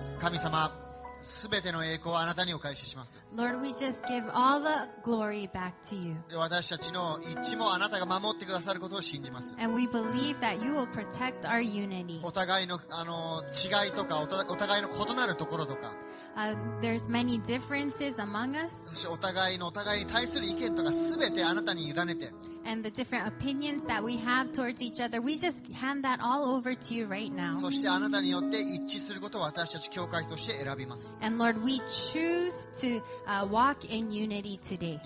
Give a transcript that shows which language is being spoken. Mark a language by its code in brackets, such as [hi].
[ja] あなたにお返しします。 [en] Lord, we just give all the glory back to you. [ja] 私たちの一致もあなたが守ってくださることを信じます。 [en] And we believe that you will protect our unity. [ja] お互いの、違いとか、お互いの異なるところとか。 [en] There's many differences among us. [ja] お互いに対する意見とか、すべてあなたに委ねて。 [en] And the different opinions that we have towards each other, we just hand that all over to you right now. [ja] そしてあなたによって一致することを私たち教会として選びます。 [en] And Lord, we choose to walk in unity today.